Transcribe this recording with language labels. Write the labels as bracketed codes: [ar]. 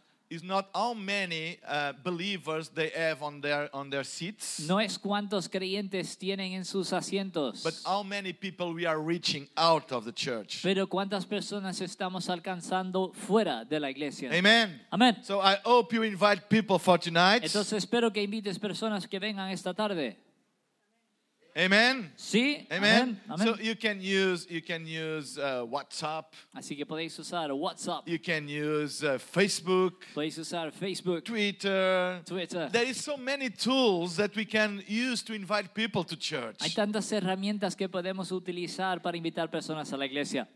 [en] Is not how many believers they have on their seats. [es] No es cuántos creyentes tienen en sus asientos. [en] But how many people we are reaching out of the church. [es] Pero cuántas personas estamos alcanzando fuera de la iglesia. [en] Amen. [es] Amen. [en] So I hope you invite people for tonight. [es] Entonces espero que invites personas que vengan esta tarde. [en] Amen. [es] Sí. [en] Amen. [es] Amen. [en] So you can use WhatsApp. [es] Así que podéis usar WhatsApp. [en] You can use Facebook. [es] Podéis usar Facebook. [en] Twitter. There is so many tools that we can use to invite people to church. [es] Hay tantas herramientas que podemos utilizar para invitar personas a la iglesia.